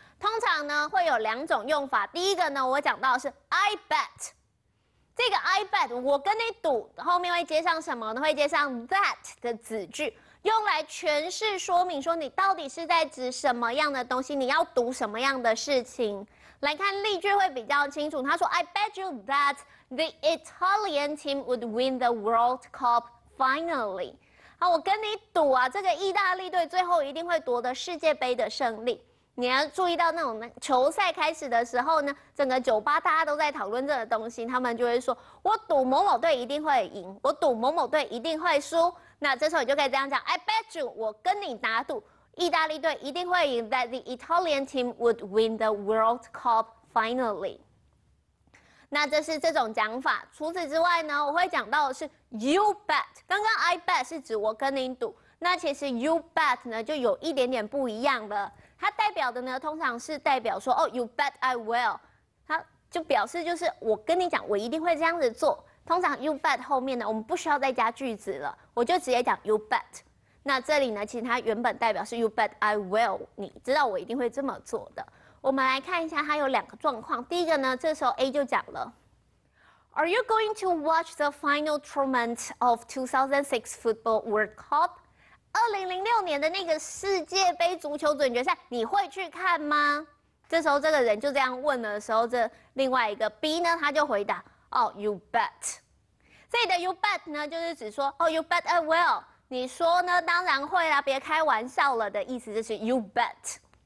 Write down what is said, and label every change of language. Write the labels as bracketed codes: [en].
[zh] 通常呢会有两种用法。第一个呢，我讲到的是 I bet。这个 I bet， 我跟你赌，后面会接上什么呢？会接上 that 的子句。用来诠释说明说你到底是在指什么样的东西，你要读什么样的事情。来看例句会比较清楚。他说 [en] I bet you that the Italian team would win the World Cup finally。 [zh] 好，我跟你赌啊，这个意大利队最后一定会夺得世界杯的胜利。你要注意到那种球赛开始的时候呢，整个酒吧大家都在讨论这个东西，他们就会说我赌某某队一定会赢，我赌某某队一定会输。那这时候你就可以这样讲 ， [en] I bet you， [zh] 我跟你打赌，意大利队一定会赢 ， [en] that the Italian team would win the World Cup finally。 [zh] 那这是这种讲法。除此之外呢，我会讲到的是 you bet。刚刚 I bet 是指我跟你赌，那其实 you bet 呢就有一点点不一样的。它代表的呢，通常是代表说，哦 ， [en] you bet I will， [zh] 它就表示就是我跟你讲，我一定会这样子做。通常 you bet 后面呢，我们不需要再加句子了，我就直接讲 you bet。那这里呢，其实它原本代表是 [en] you bet I will， [zh] 你知道我一定会这么做的。我们来看一下它有两个状况。第一个呢，这时候 A 就讲了 [en] Are you going to watch the final tournament of 2006 Football World Cup？ [zh] 2006年的那个世界杯足球总决赛你会去看吗？这时候这个人就这样问的时候，这另外一个 B 呢，他就回答 [en] Oh, you bet。 [zh] 这里的 you bet 呢，就是指说 [en] Oh, you bet I will， [zh] 你说呢当然会啦，别开玩笑了的意思，就是 you bet。